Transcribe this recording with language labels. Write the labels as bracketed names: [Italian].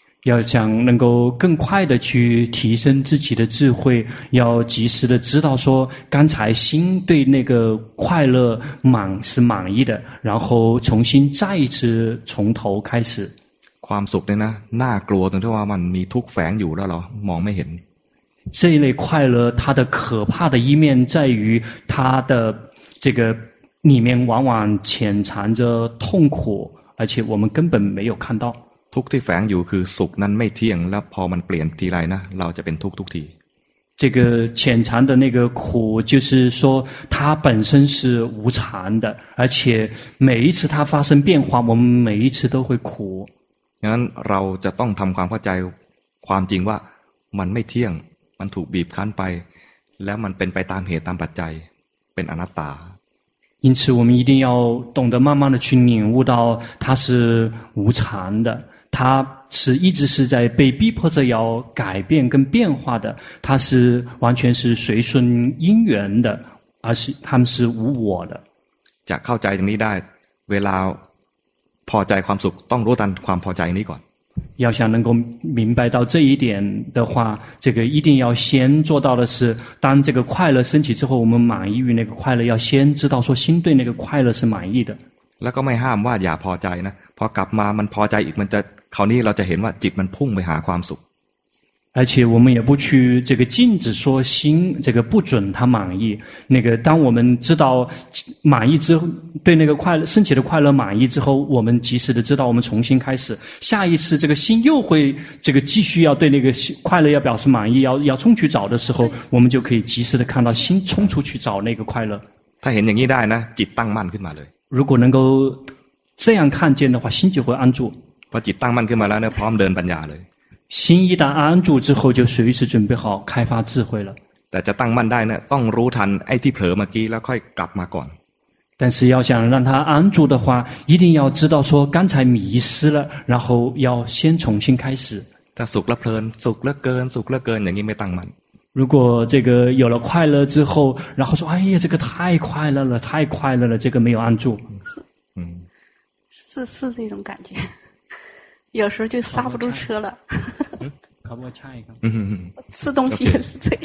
[Chinese] 要想能够更快的去提升自己的智慧要及时的知道说刚才心对那个快乐满是满意的然后重新再一次从头开始 [Thai] ความสุขเนี่ยนะน่ากลัวตรงที่ว่ามันมีทุกข์แฝงอยู่แล้วเหรอมองไม่เห็น [Chinese] 这一类快乐它的可怕的一面在于它的这个里面往往潜藏着痛苦而且我们根本没有看到 [Thai] ทุกที่แฝงอยู่คือสุขนั้นไม่เที่ยงแล้วพอมันเปลี่ยนทีไรนะเราจะเป็นทุกทุกที [Chinese] 这个浅禅的那个苦，就是说它本身是无常的，而且每一次它发生变化，我们每一次都会苦。 [Thai] งั้นเราจะต้องทำความเข้าใจความจริงว่ามันไม่เที่ยงมันถูกบีบคั้นไปแล้วมันเป็นไปตามเหตุตามปัจจัยเป็นอนัตตา [Chinese] 因此我们一定要懂得慢慢的去领悟到它是无常的，它是一直是在被逼迫着要改变跟变化的，它是完全是随顺因缘的，而是它们是无我的。 [Thai] จะเข้าใจตรงนี้ได้เวลาพอใจความสุขต้องรู้ทันความพอใจนี้ก่อน [Chinese] 要想能够明白到这一点的话，这个一定要先做到的是，当这个快乐升起之后，我们满意于那个快乐，要先知道说心对那个快乐是满意的。 [Thai] แล้วก็ไม่ห้ามว่าอย่าพอใจนะพอกลับมามันพอใจอีกมันจะคราวนี้เราจะเห็นว่าจิตมันพุ่งไปหาความสุข [Chinese] 而且我们也不去这个禁止说心这个不准他满意，那个当我们知道满意之后，对那个快乐升起的快乐满意之后，我们及时的知道我们重新开始，下一次这个心又会这个继续要对那个快乐要表示满意，要冲去找的时候，我们就可以及时的看到心冲出去找那个快乐。 [Thai] 他เห็นอย่างนี้ได้นะจิตตั้งมั่นขึ้นมาเลย [Chinese] 如果能够这样看见的话，心就会安住。 [Thai] พอจิตตั้งมั่นขึ้นมาแล้วเนี่ยพร้อมเดินปัญญาเลย [Chinese] 心一旦安住之后，就随时准备好开发智慧了。 [Thai] แต่จะตั้งมั่นได้เนี่ยต้องรู้ทันไอ้ที่เผลอเมื่อกี้แล้วค่อยกลับมาก่อน [Chinese] 但是要想让他安住的话，一定要知道说刚才迷失了，然后要先重新开始。 [Thai] ถ้าสุขแล้วเพลินสุขแล้วเกินสุขแล้วเกินอย่างนี้ไม่ตั้งมั่น [Chinese] 如果这个有了快乐之后，然后说哎呀这个太快乐了太快乐了，这个没有安住。是这种感觉。有时候就刹不住车了。可不可以掐一个？吃东西也是这样。